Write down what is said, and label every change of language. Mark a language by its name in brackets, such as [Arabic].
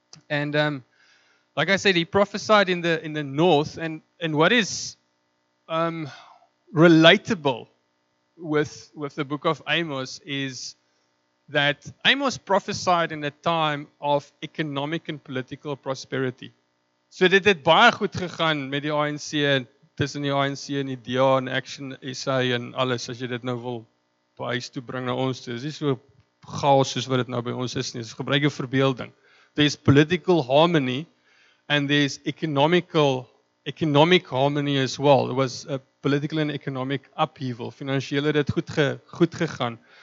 [English] And like I said, he prophesied in the north. And what is relatable with the book of Amos is that Amos prophesied in a time of economic and political prosperity. [Afrikaans] So dit het baie goed gegaan met die ANC, tussen die ANC en die DA en Action SA en alles, as jy dit nou wil huis toe bring na ons toe. Dis nie so chaos soos wat dit nou by ons is nie. Dis gebruik jou verbeelding. [English] There's political harmony and there's economic harmony as well. It was a political and economic upheaval. [Afrikaans] Financieel het dit goed gegaan.